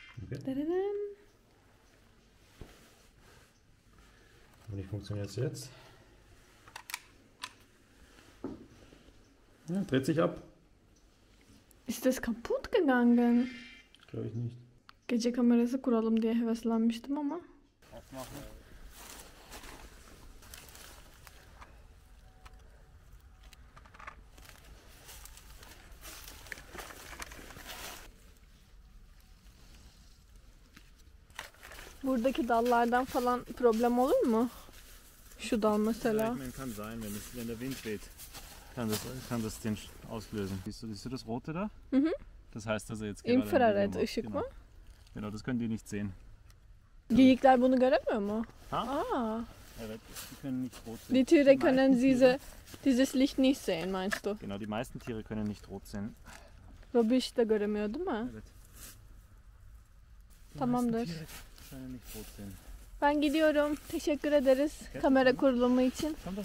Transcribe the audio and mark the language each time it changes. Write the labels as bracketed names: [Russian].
[German] Okay. Und wie funktioniert es jetzt? Ja, dreht sich ab. Ist das kaputt gegangen? Glaube ich nicht. [Turkish] Gece kamerası kuralım diye heveslenmiştim ama. Buradaki dallardan falan problem olur mu? Şu dal mesela. [German] Kann sein, wenn es, wenn der Wind weht, kann das den auslösen. Siehst du das rote da? Mhm. Das heißt, dass er jetzt gerade [Turkish] Infrared ışık mı? [German] Genau, das können die nicht sehen. [Turkish] Geyikler bunu göremiyor mu? Ha? Aa. [German] Evet, die können nicht rot sehen. Die Tiere können dieses Licht nicht sehen, meinst du? Genau, die meisten Tiere können nicht rot sehen. [Turkish] Robby işi de göremiyor, değil mi? Evet. Tamamdır. Yani ben gidiyorum. Teşekkür ederiz kamera kurulumu için.